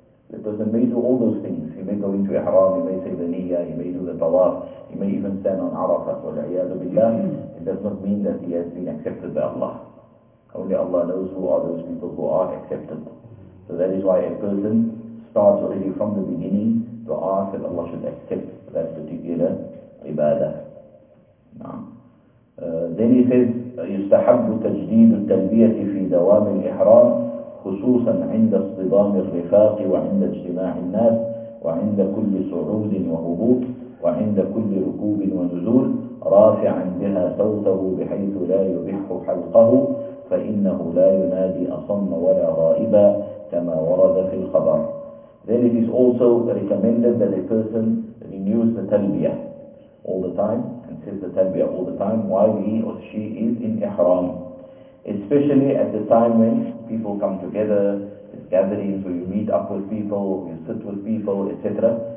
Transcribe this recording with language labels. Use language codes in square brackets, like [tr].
[en] The person may do all those things. He may go into ihram, he may say the niyyah, he may do the tawaf, he may even stand on arafah, [ar] wal iyadu billah. [en] It does not mean that he has been accepted by Allah. Only Allah knows who are those people who are accepted. So that is why a person starts already from the beginning to ask that Allah should accept that particular ibadah. [ar] Then he says, يُسْتَحَبُّ تَجْدِيدُ التَّلْبِيَةِ فِي دَوَامِ الْإِحْرَامِ خصوصا عند اصطدام الرفاق وعند اجتماع الناس وعند كل صعود وهبوط وعند كل ركوب ونزول رافعا بها صوته بحيث لا يبح حلقه فإنه لا ينادي أصم ولا غائبا كما ورد في الخبر. [en] Then it is also recommended that a person renews the talbiyah all the time and says the talbiyah all the time while he or she is in ihram. Especially at the time when people come together, it's gatherings where you meet up with people, you sit with people, etc.